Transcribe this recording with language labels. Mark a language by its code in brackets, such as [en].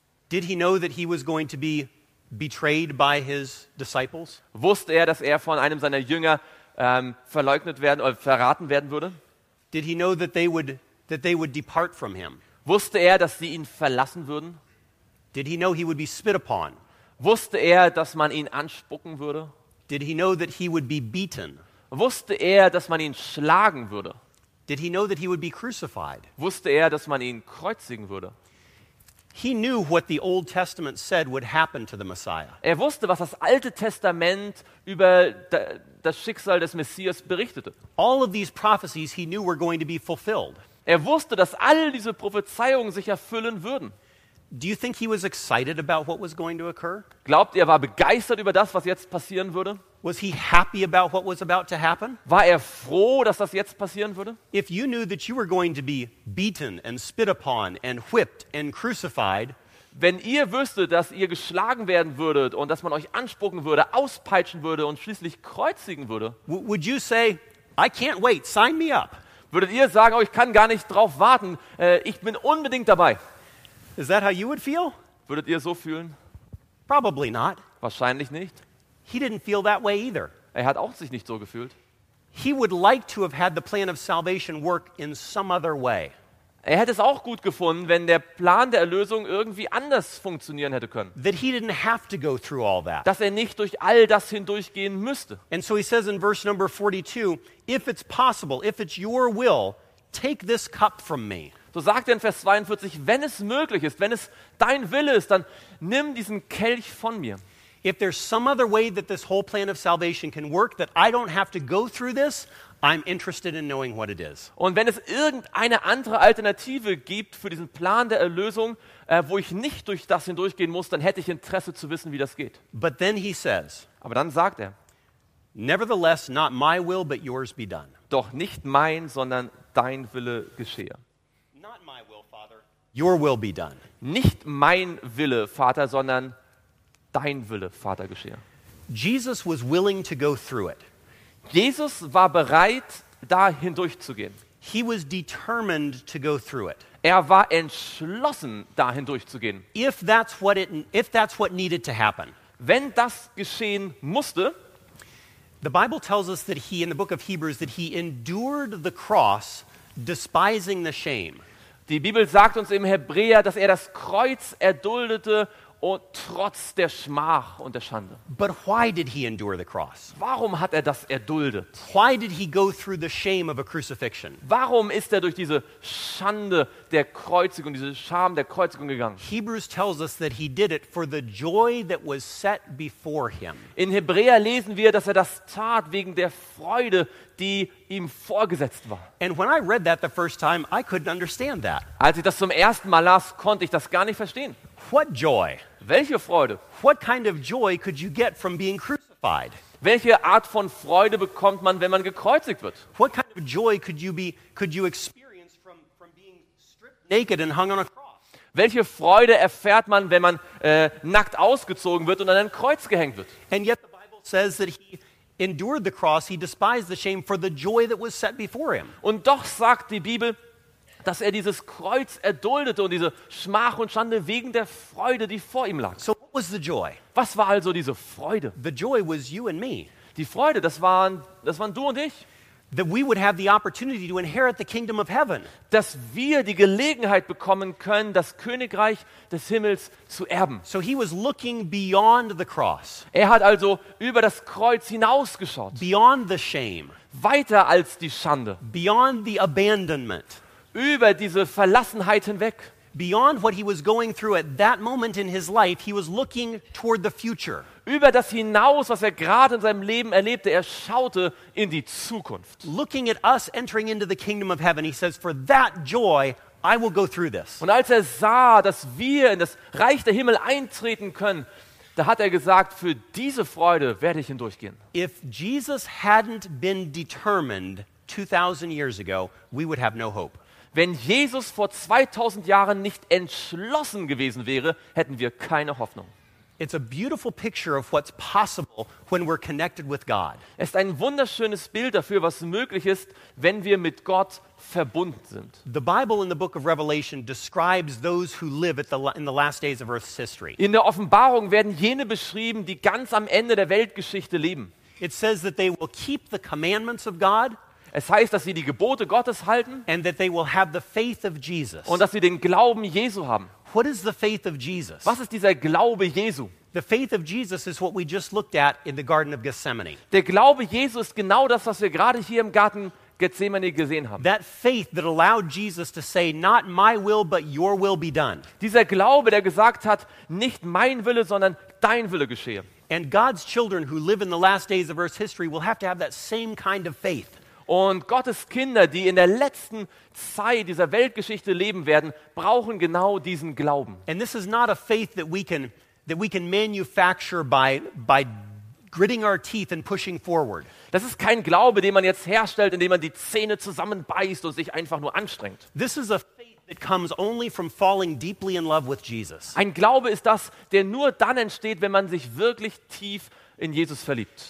[en] Did he know that he was going to be betrayed by his disciples? [de] Wusste er, dass er von einem seiner Jünger verleugnet werden oder verraten werden würde? [en] Did he know that they would depart from him? [de] Wusste er, dass sie ihn verlassen würden? [en] Did he know he would be spit upon? [de] Wusste er, dass man ihn anspucken würde? [en] Did he know that he would be beaten? [de] Wusste er, dass man ihn schlagen würde? [en] Did he know that he would be crucified? [de] Wusste er, dass man ihn kreuzigen würde? [en] He knew what the Old Testament said would happen to the Messiah. [de] Er wusste, was das Alte Testament über das Schicksal des Messias berichtete. [en] All of these prophecies he knew were going to be fulfilled. [de] Er wusste, dass all diese Prophezeiungen sich erfüllen würden. [en] Do you think he was excited about what was going to occur? [de] Glaubt ihr, er war begeistert über das, was jetzt passieren würde? [en] Was he happy about what was about to happen? [de] War er froh, dass das jetzt passieren würde? [en] If you knew that you were going to be beaten and spit upon and whipped and crucified, [de] wenn ihr wüsstet, dass ihr geschlagen werden würdet und dass man euch anspucken würde, auspeitschen würde und schließlich kreuzigen würde, [en] would you say, I can't wait, sign me up? [de] Würdet ihr sagen, oh, ich kann gar nicht drauf warten, ich bin unbedingt dabei? [en] Is that how you would feel? [de] Würdet ihr so fühlen? [en] Probably not. [de] Wahrscheinlich nicht. [en] He didn't feel that way either. [de] Er hat auch sich nicht so gefühlt. [en] He would like to have had the plan of salvation work in some other way. [de] Er hätte es auch gut gefunden, wenn der Plan der Erlösung irgendwie anders funktionieren hätte können. [en] That he didn't have to go through all that. [de] Dass er nicht durch all das hindurchgehen müsste. [en] And so he says in verse number 42, if it's possible, if it's your will, take this cup from me. [de] So sagt er in Vers 42, wenn es möglich ist, wenn es dein Wille ist, dann nimm diesen Kelch von mir. [en] If there's some other way that this whole plan of salvation can work, that I don't have to go through this, I'm interested in knowing what it is. [de] Und wenn es irgendeine andere Alternative gibt für diesen Plan der Erlösung, wo ich nicht durch das hindurchgehen muss, dann hätte ich Interesse zu wissen, wie das geht. [en] But then he says, [de] aber dann sagt er, [en] nevertheless, not my will, but yours be done. [de] Doch nicht mein, sondern dein Wille geschehe. [en] Not my will, Father. Your will be done. [de] Nicht mein Wille, Vater, sondern dein Wille, Vater, geschehe. [en] Jesus was willing to go through it. [de] Jesus war bereit, da hindurchzugehen. [en] He was determined to go through it. [de] Er war entschlossen, da hindurchzugehen. [en] If that's what needed to happen. [de] Wenn das geschehen musste. [en] The Bible tells us that he, in the book of Hebrews, that he endured the cross, despising the shame. [de] Die Bibel sagt uns im Hebräer, dass er das Kreuz erduldete, und trotz der Schmach und der Schande. [en] But why did he endure the cross? [de] Warum hat er das erduldet? [en] Why did he go through the shame of a crucifixion? [de] Warum ist er durch diese Schande der Kreuzigung, diese Scham der Kreuzigung gegangen? [en] Hebrews tells us that he did it for the joy that was set before him. [de] In Hebräer lesen wir, dass er das tat wegen der Freude, die ihm vorgesetzt war. [en] And when I read that the first time, I couldn't understand that. [de] Als ich das zum ersten Mal las, konnte ich das gar nicht verstehen. [en] What joy? [de] Welche Freude? [en] What kind of joy could you get from being crucified? [de] Welche Art von Freude bekommt man, wenn man gekreuzigt wird? [en] What kind of joy could you experience from being stripped naked and hung on a cross? [de] Welche Freude erfährt man, wenn man nackt ausgezogen wird und an ein Kreuz gehängt wird? [en] And yet the Bible says that he endured the cross, he despised the shame for the joy that was set before him. [de] Und doch sagt die Bibel, dass er dieses Kreuz erduldete und diese Schmach und Schande wegen der Freude, die vor ihm lag. [en] So what was the joy? [de] Was war also diese Freude? [en] The joy was you and me. [de] Die Freude, das waren du und ich. [en] That we would have the opportunity to inherit the kingdom of heaven. [de] Dass wir die Gelegenheit bekommen können, das Königreich des Himmels zu erben. [en] So he was looking beyond the cross. [de] Er hat also über das Kreuz hinausgeschaut. [en] Beyond the shame. [de] Weiter als die Schande. [en] Beyond the abandonment. [de] Über diese Verlassenheit hinweg. [en] Beyond what he was going through at that moment in his life, he was looking toward the future. [de] Über das hinaus, was er gerade in seinem Leben erlebte, er schaute in die Zukunft. [en] Looking at us entering into the kingdom of heaven, he says, for that joy, I will go through this. [de] Und als er sah, dass wir in das Reich der Himmel eintreten können, da hat er gesagt, für diese Freude werde ich hindurchgehen. [en] If Jesus hadn't been determined 2000 years ago, we would have no hope. [de] Wenn Jesus vor 2000 Jahren nicht entschlossen gewesen wäre, hätten wir keine Hoffnung. [en] It's a beautiful picture of what's possible when we're connected with God. [de] Es ist ein wunderschönes Bild dafür, was möglich ist, wenn wir mit Gott verbunden sind. [en] The Bible in the book of Revelation describes those who live in the last days of Earth's history. [de] In der Offenbarung werden jene beschrieben, die ganz am Ende der Weltgeschichte leben. [en] It says that they will keep the commandments of God. [de] Es heißt, dass sie die Gebote Gottes halten [en] and that they will have the faith of Jesus. [de] Und dass sie den Glauben Jesu haben. [en] What is the faith of Jesus? [de] Was ist dieser Glaube Jesu? [en] The faith of Jesus is what we just looked at in the Garden of Gethsemane. [de] Der Glaube Jesu ist genau das, was wir gerade hier im Garten Gethsemane gesehen haben. [en] That faith that allowed Jesus to say, not my will, but your will be done. [de] Dieser Glaube, der gesagt hat, nicht mein Wille, sondern dein Wille geschehe. [en] And God's children who live in the last days of Earth's history will have to have that same kind of faith. [de] Und Gottes Kinder, die in der letzten Zeit dieser Weltgeschichte leben werden, brauchen genau diesen Glauben. [en] And this is not a faith that we can manufacture by gritting our teeth and pushing forward. [de] Das ist kein Glaube, den man jetzt herstellt, indem man die Zähne zusammenbeißt und sich einfach nur anstrengt. [en] This is a faith that comes only from falling deeply in love with Jesus. [de] Ein Glaube ist das, der nur dann entsteht, wenn man sich wirklich tief in Jesus verliebt.